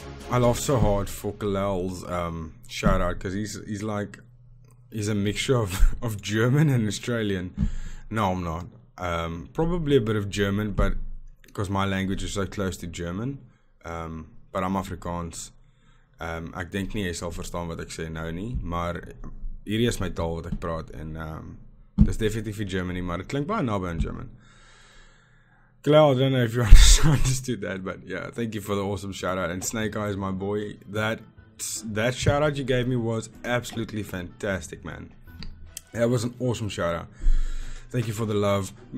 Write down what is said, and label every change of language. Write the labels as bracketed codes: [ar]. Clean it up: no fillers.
[en] I laughed so hard for Calel's shoutout, because he's a mixture of German and Australian. No, I'm not. Probably a bit of German, but because my language is so close to German. But I'm Afrikaans. [af] Ek denk nie jy sal verstaan wat ek sê nou nie, maar hier is my taal wat ek praat, en dit is definitief in Germany, maar het klink baie naby in German. [en] Klaar, I don't know if you understood that, but yeah, thank you for the awesome shout-out, and Snakeeyes, my boy, that shout-out you gave me was absolutely fantastic, man. That was an awesome shout-out. Thank you for the love.